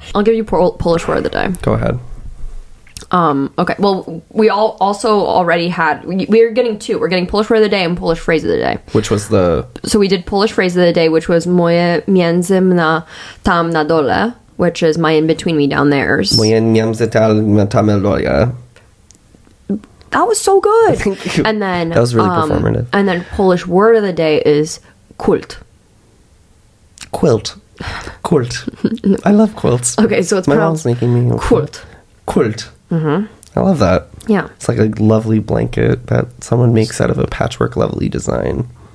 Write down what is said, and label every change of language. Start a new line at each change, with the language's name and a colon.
English: I'll give you Polish word of the day. Go ahead. Okay, well, we all also already had, we're getting two. We're getting Polish word of the day and Polish phrase of the day. Which was the... So we did Polish phrase of the day, which was
Polish: moje między na tam na dole,
English: which is my in between me down there's.
Polish: Moje między tam na tam na dole.
English: That was so good. Thank you. And then... That was really performative. And then Polish word of the day is kult. Quilt. Kult. I love quilts. Okay, so it's my mom's making me...
Polish: Kult. Kult. Mm-hmm.
English: I love that. Yeah. It's like a lovely blanket that someone makes out of a patchwork lovely design.